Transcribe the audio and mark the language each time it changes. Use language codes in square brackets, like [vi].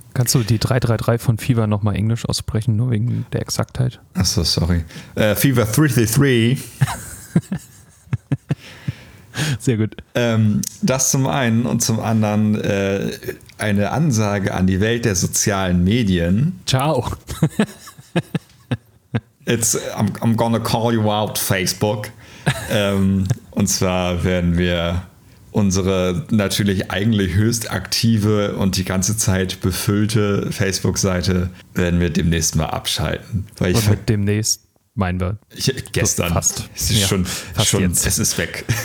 [de] Kannst du die 333 von Fever nochmal englisch aussprechen, nur wegen der Exaktheit? Achso, sorry. Fever 333. Sehr gut. Das zum einen, und zum anderen eine Ansage an die Welt der sozialen Medien. Ciao. [en] I'm gonna call you out, Facebook. [de] Und zwar werden wir unsere natürlich eigentlich höchst aktive und die ganze Zeit befüllte Facebook-Seite werden wir demnächst mal abschalten. Weil ich mit demnächst meinen wir gestern. Fast. Es ist schon jetzt. Es ist weg.